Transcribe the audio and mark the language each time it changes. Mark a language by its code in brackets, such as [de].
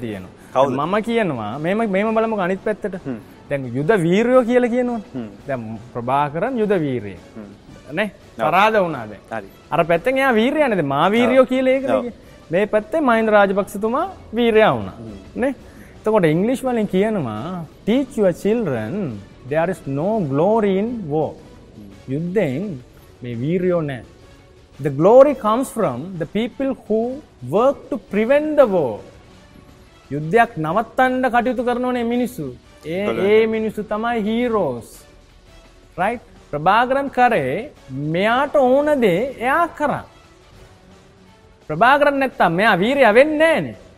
[si] තියෙනවා. මම කියනවා මේම බලමුකෝ අනිත් පැත්තට. දැන් යුද වීරයෝ කියලා කියනවනේ. දැන් ප්‍රභාකරන් යුද වීරයෙක්. නේ? පරාද වුණා දැන්. හරි. අර පැත්තෙන් එයා වීරයා නේද? මා වීරයෝ කියලා ඒකද කියන්නේ. මේ පැත්තේ මහින්ද රාජපක්ෂතුමා වීරයා වුණා. නේ? එතකොට ඉංග්‍රීස් වලින් කියනවා [en] teach your children there is no glory in war. [si] යුද්ධෙන් මේ වීරයෝ නැහැ. [en] The glory comes from the people who work to prevent the war. [si] යුද්ධයක් නවත්තන්න කටයුතු කරනෝනේ මිනිස්සු. ඒ මිනිස්සු තමයි heroes. Right? ප්‍රභාකරන් කරේ මෙයාට ඕන දේ එයා කරා. ප්‍රභාකරන් නැත්තම් මෙයා වීරයා වෙන්නේ නැහැනේ.